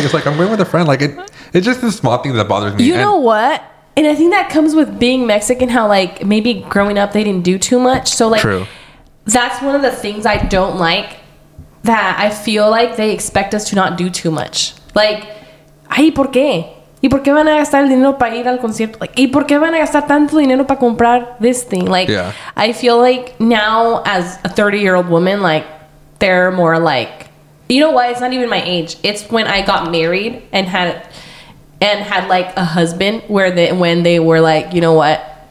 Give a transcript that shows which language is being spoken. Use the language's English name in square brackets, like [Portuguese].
[English] It's like, I'm going with a friend. Like, it's just this small thing that bothers me. You know what? And I think that comes with being Mexican, how like, maybe growing up, they didn't do too much. So like, true. That's one of the things I don't like, that I feel like they expect us to not do too much. [Spanish] Like, ay, ¿por qué? ¿Y por qué van a gastar el dinero para ir al concierto? Like, ¿y por qué van a gastar tanto dinero para comprar [English] this thing? [Spanish] Like, [English] yeah. I feel like now as a 30-year-old woman, like, they're more like, you know what? It's not even my age. It's when I got married and had like a husband where when they were like, you know what?